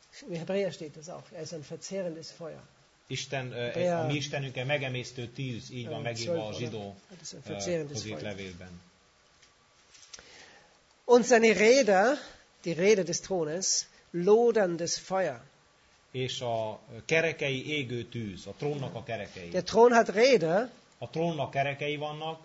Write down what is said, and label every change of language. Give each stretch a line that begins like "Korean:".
German: In Hebräer steht das auch. Er ist ein verzehrendes Feuer.
Hungarian: Isten, Hebräer, a mi Istenünk egy megemésztő tűz, így van megírva a zsidó középlevélben.
German: Und seine Räder, die Räder des Thrones, loderndes Feuer.
Hungarian: És a kerekei égő tűz, a trónnak a kerekei.
German: Der Thron hat Räder.
Hungarian: A trónnak kerekei vannak.